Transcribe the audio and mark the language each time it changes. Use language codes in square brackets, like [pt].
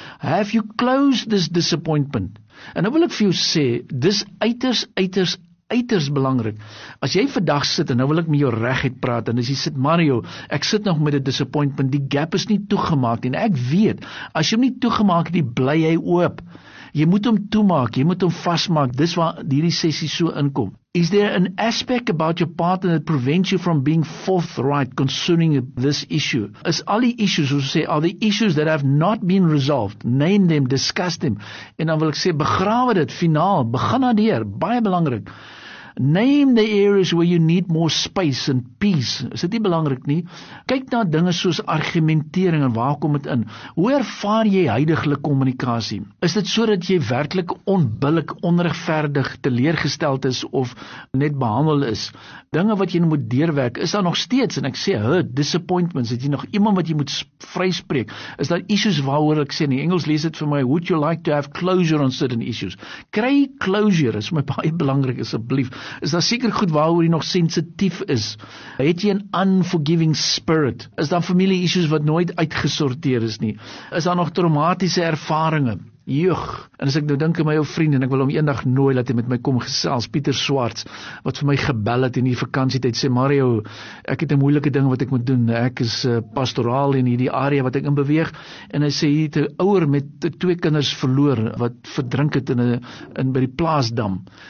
[en] Have you closed this disappointment? [af] En nou wil ek vir jou sê, dis uiters, uiters, uiters belangrik. As jy vandag sit, en nou wil ek met jou regheid praat, en as jy sit, Mario, ek sit nog met 'n disappointment, die gap is nie toegemaak, en ek weet, as jy hom nie toegemaak, die bly hy oop. Jy moet hom toemaak, jy moet hom vasmaak, dis waar hierdie sessie so inkom. [en] Is there an aspect about your partner that prevents you from being forthright concerning this issue? [af] Is al die issues, soos sê, [en] are the issues that have not been resolved? Name them, discuss them. [af] En dan wil ek sê, begrawe dit, finaal, begin na deur, baie belangrik. [en] Name the areas where you need more space and peace. [af] Is dit nie belangrik nie? Kyk na dinge soos argumentering en waar kom dit in. Hoe ervaar jy huidige kommunikasie? Is dit so dat jy werklik onbillik, onregverdig, teleergesteld is of net behandel is? Dinge wat jy moet deurwerk, is daar nog steeds, en ek sê, disappointments, het jy nog iemand wat jy moet vryspreek? Is daar issues waaroor ek sê, in Engels lees dit vir my, [en] would you like to have closure on certain issues? [af] Kry closure, is my baie belangrik, asseblief. Is daar seker goed waaroor jy nog sensitief is? Het jy 'n [en] unforgiving spirit? [af] Is daar familie issues wat nooit uitgesorteer is nie? Is daar nog traumatiese ervaringe? Joch, en as ek nou dink aan my ou vriend en ek wil hom eendag nooi dat hy met my kom gesels, Pieter Swarts, wat vir my gebel het in die vakansietyd, sê Mario, ek het 'n moeilike ding wat ek moet doen, ek is pastoraal in hierdie area wat ek in beweeg, en hy sê, hy het 'n ouer met 2 kinders verloor, wat verdrink het in by die plaasdam,